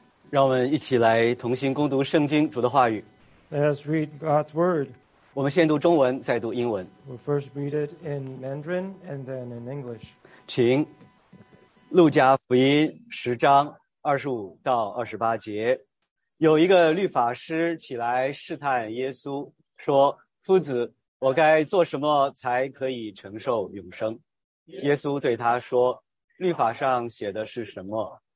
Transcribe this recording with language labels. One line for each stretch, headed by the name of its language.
Chinese: 让我们一起来同心共读圣经主的话语。
English: Let us read God's word.
Chinese: 我们先读中文，再读英文。
English: We'll first read it in Mandarin and then in English.
Chinese: 请。路加福音十章二十五到二十八节，有一个律法师起来试探耶稣，说：“夫子，我该做什么才可以承受永生？” 耶稣对他说：“律法上写的是什么？